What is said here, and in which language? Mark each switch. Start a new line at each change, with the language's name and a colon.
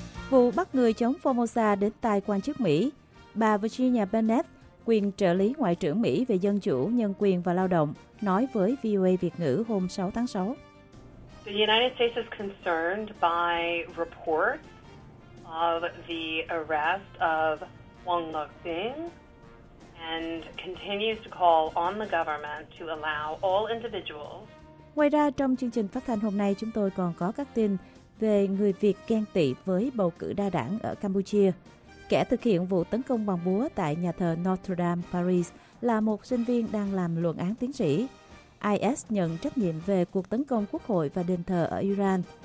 Vietnamese: Vụ bắt người chống Formosa đến tai quan chức Mỹ. Bà Virginia Bennett, quyền trợ lý Ngoại trưởng Mỹ về Dân chủ, Nhân quyền và Lao động, nói với VOA Việt ngữ hôm 6 tháng 6.
English: The United States is concerned by reports of the arrest of Wang Luxing and continues to call on the government to allow all individuals.
Vietnamese: Ngoài ra, trong chương trình phát thanh hôm nay, chúng tôi còn có các tin về người Việt ghen tị với bầu cử đa đảng ở Campuchia. Kẻ thực hiện vụ tấn công bằng búa tại nhà thờ Notre Dame, Paris là một sinh viên đang làm luận án tiến sĩ. IS nhận trách nhiệm về cuộc tấn công quốc hội và đền thờ ở Iran.